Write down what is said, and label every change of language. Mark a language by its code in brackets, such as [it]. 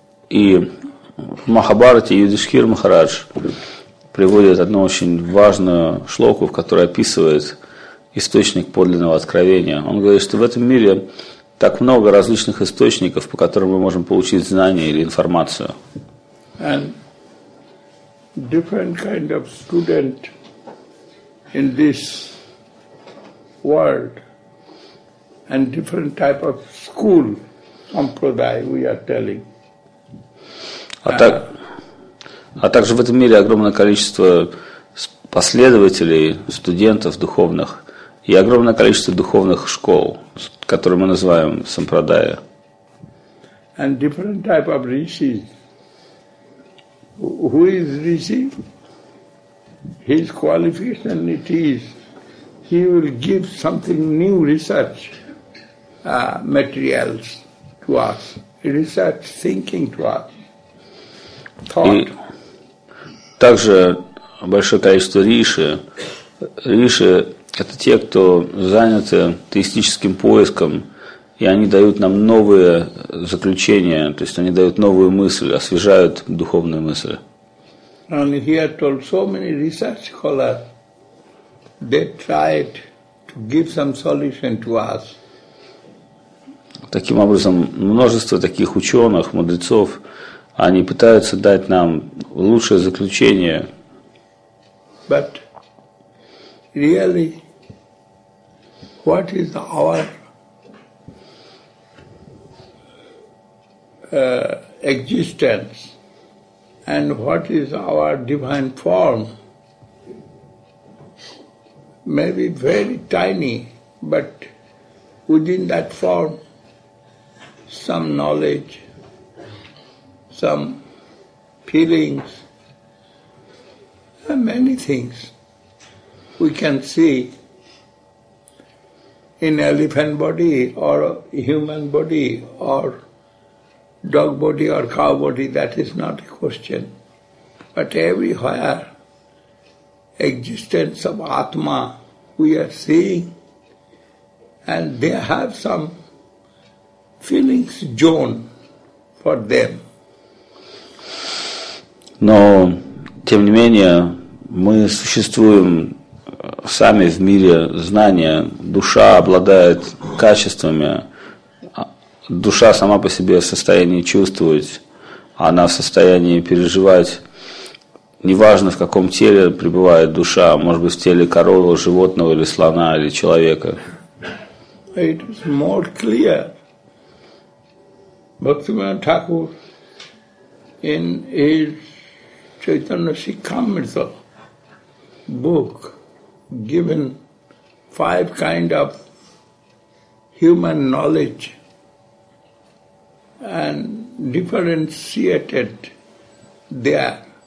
[ru] И в Махабхарате Юдишхир Махарадж приводит одну очень важную шлоку, в которой описывает источник подлинного откровения. Он говорит, что в этом мире так много различных источников, по которым мы можем получить знания или информацию. [en] And different kind of student in this world and different type of school sampradaya we are telling. [ru] А также в этом мире огромное количество последователей, студентов духовных и огромное количество духовных школ, которые мы называем сампрадая. [en] And different type of rishis. Who is rishi? His qualification it is, he will give something new research materials to us, research thinking to us, thought. [ru] И также большое количество риши. Риши – это те, кто заняты теистическим поиском, и они дают нам новые заключения, то есть они дают новую мысль, освежают духовную мысль. [en] And he had told so many research scholars, they tried to give some solution to us. [ru] Таким образом, множество таких ученых, мудрецов, они пытаются дать нам лучшее заключение. [en] But really, what is our existence and what is our divine form may be very tiny, but within that form some knowledge, some feelings and many things we can see in elephant body or human body or dog body or cow body, that is not a question. But everywhere, existence of Atma, we are seeing, and they have some feelings zone for them. [ru] Но, тем не менее, мы существуем сами в мире знания. Душа обладает качествами. Душа сама по себе в состоянии чувствовать, она в состоянии переживать. Неважно, в каком теле пребывает душа, может быть, в теле коровы, животного, или слона, или человека. [en] It is more clear. Bhaktivinoda Thakur in his Chaitanya Shikhamrita book given five kind of human knowledge and differentiated there